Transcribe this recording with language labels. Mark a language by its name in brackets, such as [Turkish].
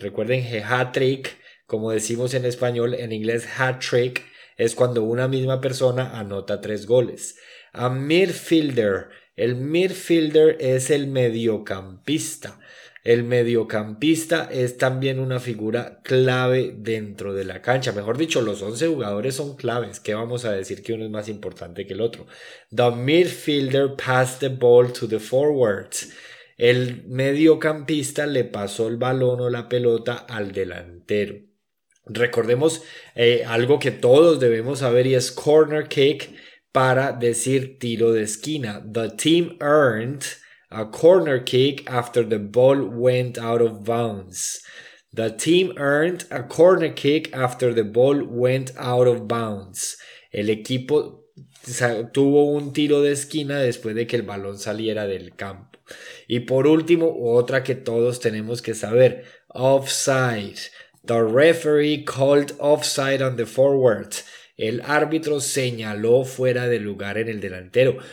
[Spanish] Recuerden que hat trick, como decimos en español, en inglés hat trick, es cuando una misma persona anota 3 goles. [English] A midfielder. [Spanish] El midfielder es el mediocampista. El mediocampista es también una figura clave dentro de la cancha. Mejor dicho, los 11 jugadores son claves. ¿Qué vamos a decir que uno es más importante que el otro? [English] The midfielder passed the ball to the forward. [Spanish] El mediocampista le pasó el balón o la pelota al delantero. Recordemos algo que todos debemos saber y es corner kick para decir tiro de esquina. [English] The team earned a corner kick after the ball went out of bounds. The team earned a corner kick after the ball went out of bounds. [Spanish] El equipo, o sea, tuvo un tiro de esquina después de que el balón saliera del campo. Y por último, otra que todos tenemos que saber, offside. [English] The referee called offside on the forward. [Spanish] El árbitro señaló fuera de lugar en el delantero.